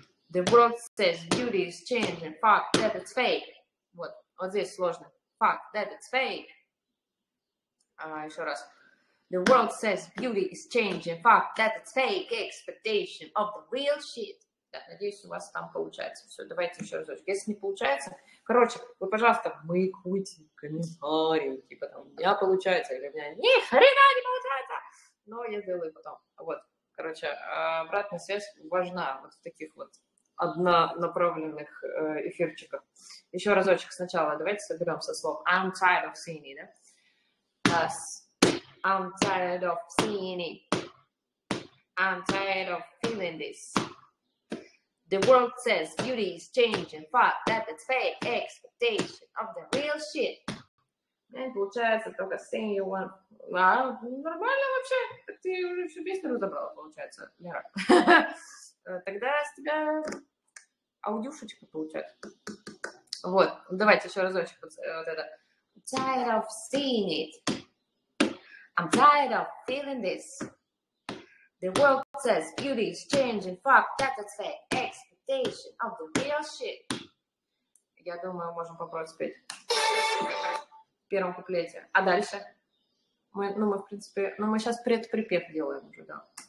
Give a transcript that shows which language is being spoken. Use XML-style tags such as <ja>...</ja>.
<en>The world says beauty is changing. Fuck that is fake.</en> <ru>Вот. Вот здесь сложно.</ru> <en>Fuck that is fake.</en> <ru>Еще раз.</ru> <en>The world says beauty is changing. Fuck that is fake. Expectation of the real shit.</en> <ru>Да, надеюсь, у вас там получается. Все, давайте еще разочек. Если не получается... Короче, вы, пожалуйста, мейкуйте комментарии, типа там, у меня получается, или у меня ни хрена не получается, но я сделаю потом. Вот, короче, обратная связь важна вот в таких вот однонаправленных эфирчиках. Еще разочек сначала, давайте соберем со слов</ru> <en>I'm tired of seeing it,</en> <ru>да?</ru> <en>Yes. I'm tired of seeing it. I'm tired of feeling this. The world says beauty is changing, fuck that it's fake, expectation of the real shit.</en> <ru>Не получается, только</ru> <en>sing you one.</en> <ru>А, нормально вообще, ты уже всю песню разобрала, получается, Лера. Тогда с тебя аудюшечка получается. Вот, давайте еще разочек вот это.</ru> <en>I'm tired of seeing it. I'm tired of feeling this. The world says beauty is changing, fuck that it's fake. Of the real shit.</en> <ru>Я думаю, можем попробовать спеть в первом куплете. А дальше? Мы в принципе, мы сейчас предприпев делаем уже, да.</ru>